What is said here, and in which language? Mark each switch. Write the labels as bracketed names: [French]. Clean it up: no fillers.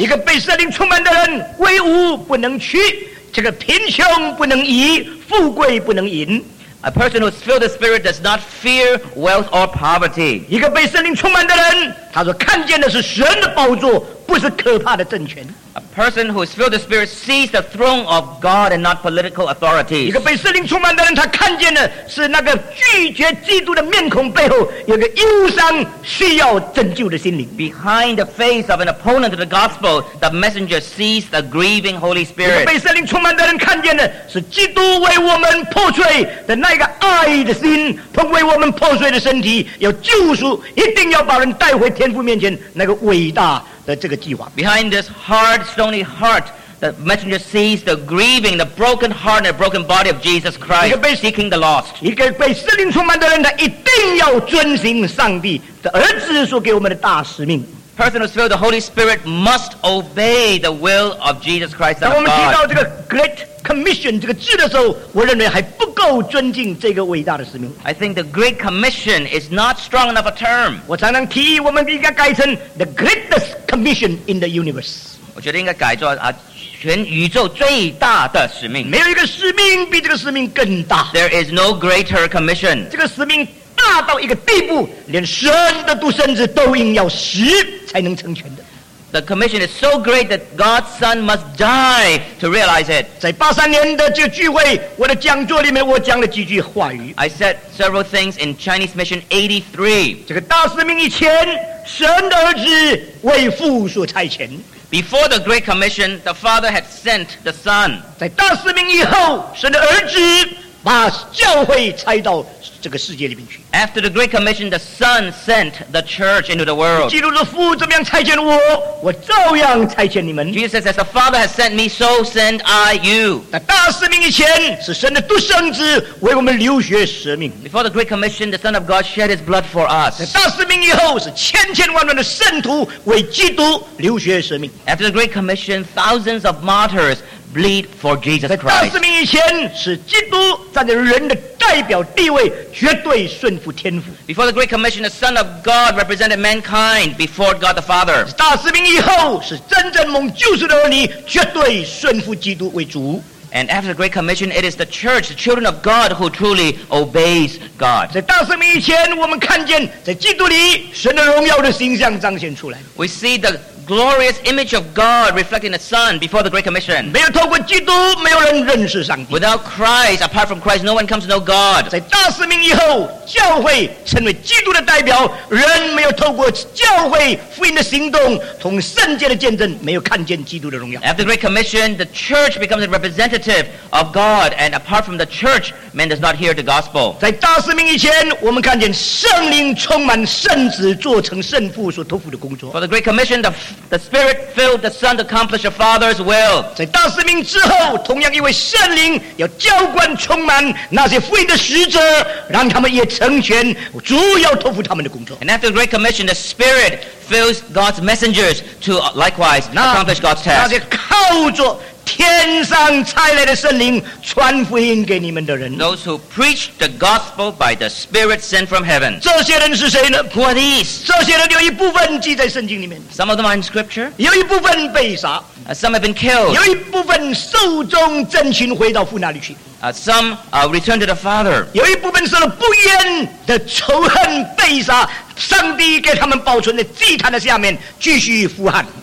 [Chinese] 一个被圣灵充满的人，威武不能屈，这个贫穷不能移，富贵不能淫。 [English] A person who is filled with the Spirit does not fear wealth or poverty. [Chinese] 一个被圣灵充满的人，他说看见的是神的宝座，不是可怕的政权。 [English] A person who is filled with the Spirit sees the throne of God and not political authorities. [Chinese] 一个被圣灵充满的人，他看见的是那个拒绝基督的面孔背后有个忧伤需要拯救的心灵。 [English] Behind the face of an opponent of the gospel, the messenger sees the grieving Holy Spirit. [Chinese] 一个被圣灵充满的人看见的是基督为我们破碎的那个爱的心，同为我们破碎的身体，要救赎，一定要把人带回天父面前那个伟大。 [English] Behind this hard, stony heart, the messenger sees the grieving, the broken heart and the broken body of Jesus Christ seeking the lost. [Chinese] 一个被圣灵充满的人，他一定要遵行上帝的儿子所给我们的大使命。 [English] Person who's filled with the Holy Spirit must obey the will of Jesus Christ, the Son of God. [Chinese] 当我们提到这个 Great Commission 这个字的时候，我认为还不够尊敬这个伟大的使命。 [English] I think the Great Commission is not strong enough a term. [Chinese] 我常常提议我们应该改成 [English] the greatest commission in the universe. [Chinese] 我觉得应该改做啊。全宇宙最大的使命。没有一个使命比这个使命更大。 [English] There is no greater commission. [Chinese] 这个使命大到一个地步，连神的独生子都应要死才能成全的。 [English] The commission is so great that God's Son must die to realize it. [Chinese] 在83年的这个聚会，我的讲座里面，我讲了几句话语。 [English] I said several things in Chinese Mission 83. [Chinese] 这个大使命以前，神的儿子为父所差遣。 [English] Before the Great Commission, the Father had sent the Son. [Chinese] 在大使命以后，神的儿子把教会差到这个世界里面去。 [English] After the Great Commission, the Son sent the Church into the world. [Chinese] 基督的父怎么样差遣我，我照样差遣你们。 [English] Jesus says, as the Father has sent me, so send I you. [Chinese] 在大使命以前，是神的独生子为我们流血舍命。 [English] Before the Great Commission, the Son of God shed His blood for us. [Chinese] 在大使命以后，是千千万万的圣徒为基督流血舍命。 [English] After the Great Commission, thousands of martyrs. Bleed for Jesus Christ. [Chinese] 在大使命以前，是基督站在人的代表地位，绝对顺服天父。 [English] Before the Great Commission, the Son of God represented mankind before God the Father. [Chinese] 大使命以后，是真正蒙救赎的儿女，绝对顺服基督为主。 [English] And after the Great Commission, it is the Church, the children of God, who truly obeys God. [Chinese] 在大使命以前，我们看见在基督里神的荣耀的形象彰显出来。 [English] We see the glorious image of God reflecting the Son before the Great Commission. [Chinese] 没有透过基督，没有人认识上帝。 [English] Without Christ, apart from Christ, no one comes to know God. [Chinese] 在大使命以后，教会成为基督的代表，人没有透过教会福音的行动，从圣洁的见证，没有看见基督的荣耀。 [English] After the Great Commission, the Church becomes a representative of God, and apart from the Church, man does not hear the gospel. [Chinese] 在大使命以前，我们看见圣灵充满圣子，做成圣父所托付的工作。 [English] For the Great Commission, the Spirit filled the Son to accomplish the Father's will. [Chinese] 在大使命之后，同样因为圣灵要浇灌充满那些福音的使者，让他们也成全主要托付他们的工作。 [English] And after the Great Commission, the Spirit fills God's messengers to likewise accomplish God's task. [Chinese] 那些靠着天上差来的圣灵传福音给你们的人。 [English] Those who preach the gospel by the Spirit sent from heaven. [Chinese] 这些人是谁呢？ [English] Who are these? [Chinese] 这些人有一部分记在圣经里面。 [English] Some of them are in scripture. [Chinese] 有一部分被杀。 [English] Some have been killed. [Chinese] 有一部分受终正寝回到父那里去。 [English] Some return to the Father. [Chinese] 有一部分受了不冤的仇恨被杀，上帝给他们保存的祭坛的下面继续呼喊。